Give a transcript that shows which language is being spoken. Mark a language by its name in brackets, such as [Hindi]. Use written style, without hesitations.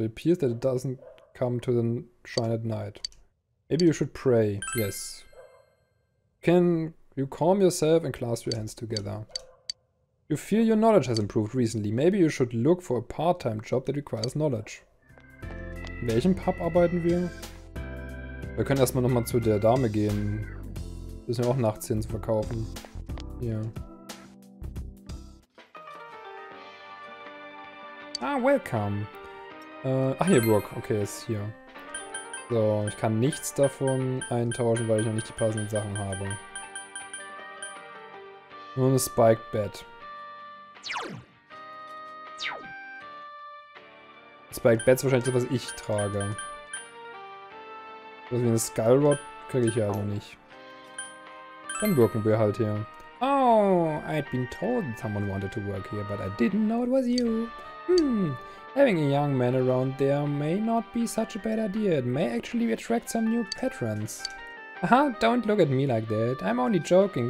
[English] It appears that it doesn't come to the shrine at night. Maybe you should pray. Yes. Can you calm yourself and clasp your hands together. You feel your knowledge has improved recently. Maybe you should look for a part-time job that requires knowledge. [German] In welchem Pub arbeiten wir? Wir können erstmal nochmal zu der Dame gehen. Müssen wir auch nachts hin verkaufen. Ja. [English] Ah, welcome. [German] Ach hier, Brock. Okay, ist hier. So, ich kann nichts davon eintauschen, weil ich noch nicht die passenden Sachen habe. Nur ein Spiked Bed. Spiked Bed ist wahrscheinlich das, was ich trage. So wie ein Skull Rod kriege ich ja auch nicht. Dann wirken wir halt hier. [English] Oh, I'd been told someone wanted to work here, but I didn't know it was you. Hmm, having a young man around there may not be such a bad idea. It may actually attract some new patrons. Aha, don't look at me like that. I'm only joking.